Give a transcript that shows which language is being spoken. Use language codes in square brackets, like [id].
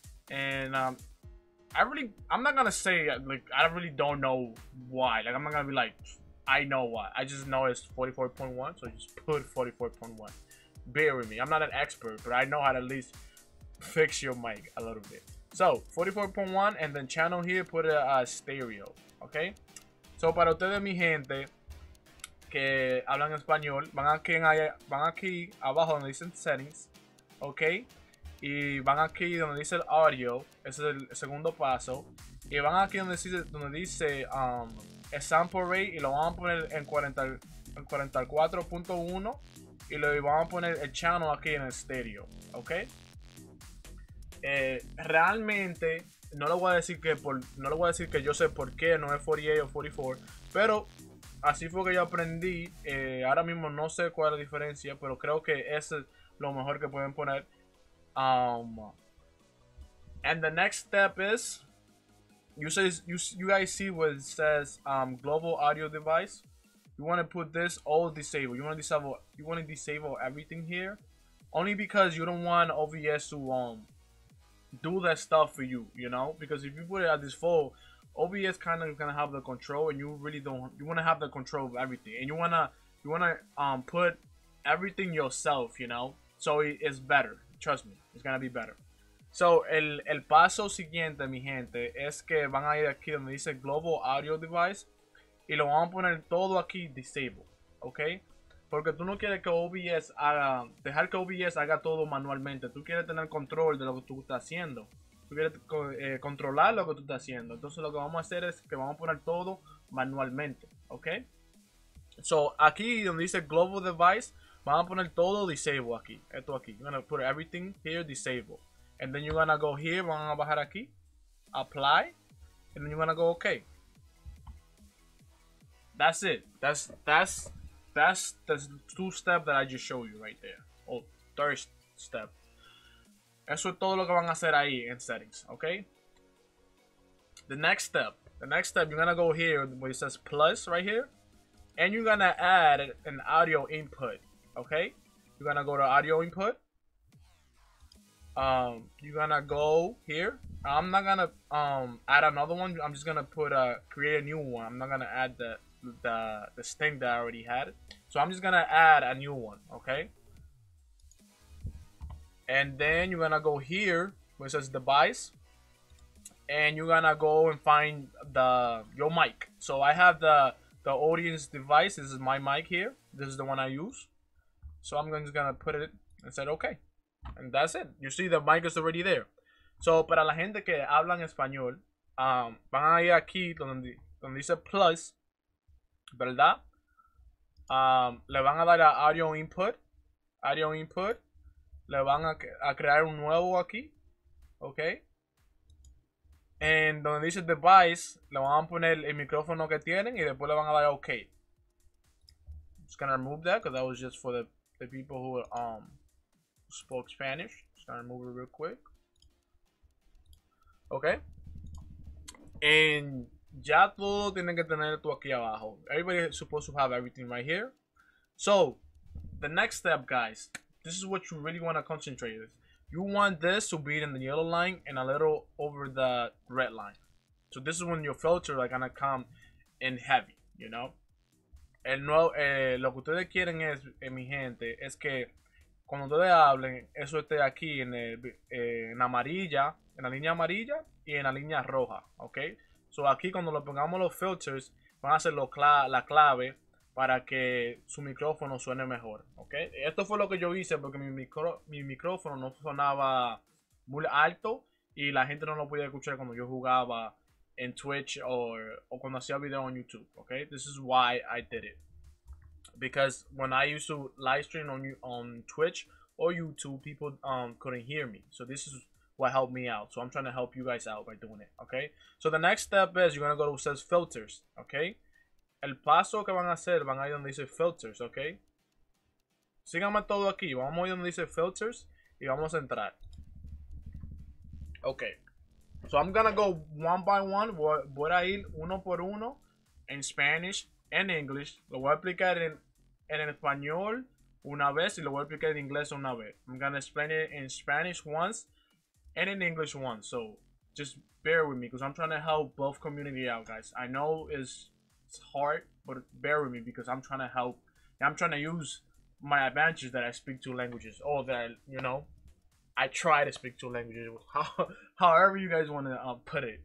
[en] And I really don't know why. Like, I'm not gonna be like, I know why. I just know it's 44.1, so just put 44.1. Bear with me. I'm not an expert, but I know how to at least fix your mic a little bit. So, 44.1, and then channel here, put a stereo, okay? [es] So, para ustedes, mi gente, que hablan español, van aquí abajo donde dicen settings, okay? Y van aquí donde dice audio, ese es el segundo paso. Y van aquí donde dice a sample rate, y lo van a poner en 44.1, y le van a poner el channel aquí en el stereo, okay? Realmente no lo voy a decir que yo sé por qué no es 48 o 44, pero así fue que yo aprendí. Ahora mismo no sé cuál es la diferencia, pero creo que ese es lo mejor que pueden poner. [en] And the next step is you guys see what it says, global audio device. You want to put this all disabled. You want to disable everything here, only because you don't want OBS to do that stuff for you, you know, because if you put it at default, OBS kind of gonna have the control, and you want to have the control of everything, and you want to put everything yourself, you know, so it's better, trust me, it's gonna be better. [es] So el paso siguiente, mi gente, es que van a ir aquí donde dice global audio device y lo van a poner todo aquí disabled, okay? Porque tú no quieres que OBS haga, dejar que OBS haga todo manualmente. Tú quieres tener control de lo que tú estás haciendo. Tú quieres controlar lo que tú estás haciendo. Entonces lo que vamos a hacer es que vamos a poner todo manualmente. ¿Ok? So, aquí donde dice Global Device, vamos a poner todo disabled aquí. Esto aquí. [en] You're going to put everything here disabled. And then you're going to go here. [es] Van a bajar aquí. [en] Apply. And then you're going to go OK. That's it. That's the two step that I just showed you right there. Oh, third step. [es] Eso es todo lo que van a hacer ahí [en] in settings, [es] okay? [en] The next step, you're gonna go here where it says plus right here. And you're gonna add an audio input, okay? You're gonna go to audio input. You're gonna go here. I'm not gonna add another one. I'm just gonna create a new one. I'm not gonna add the sting that I already had. So I'm just gonna add a new one, okay? And then you're gonna go here where it says device, and you're gonna go and find your mic. So I have the audience device. This is my mic here. This is the one I use. So I'm just gonna put it and said okay. And that's it. You see the mic is already there. [es] So para la gente que hablan español, van a ir aquí donde dice plus, ¿verdad? Le van a dar a audio input, le van a crear un nuevo aquí, okay? En donde dice device, le van a poner el micrófono que tienen y después le van a dar OK. [en] I'm just gonna remove that because that was just for the people who spoke Spanish. Just gonna remove it real quick. [es] Okay. [en] And [es] ya todo tienen que tener tú aquí abajo. [en] Everybody is supposed to have everything right here. So, the next step, guys, this is what you really want to concentrate with. You want this to be in the yellow line and a little over the red line. So this is when your filters are gonna come in heavy, you know? [es] El no, lo que ustedes quieren es, mi gente, es que cuando ustedes hablen, eso esté aquí en en amarilla, en la línea amarilla y en la línea roja, ¿ok? So aquí cuando lo pongamos los filters, van a ser la clave para que su micrófono suene mejor, ¿ok? Esto fue lo que yo hice porque mi micrófono no sonaba muy alto y la gente no lo podía escuchar cuando yo jugaba en Twitch o cuando hacía video en YouTube, ¿ok? [en] This is why I did it. Because when I used to live stream on Twitch or YouTube, people couldn't hear me. So this is what helped me out. So I'm trying to help you guys out by doing it, okay? So the next step is you're gonna go to says filters, okay? [es] El paso que van a hacer van a ir donde dice filters, okay? Síganme todo aquí. Vamos a ir donde dice filters y vamos a entrar. Okay. [en] So I'm gonna go one by one. [es] Voy a ir uno por uno en Spanish. En English, lo voy a explicar en español una vez y lo voy a explicar en inglés una vez. [en] I'm gonna explain it in Spanish once and in English once. So just bear with me because I'm trying to help both community out, guys. I know it's hard, but bear with me because I'm trying to help. I'm trying to use my advantage that I speak two languages or that, you know, I try to speak two languages, however you guys want to put it.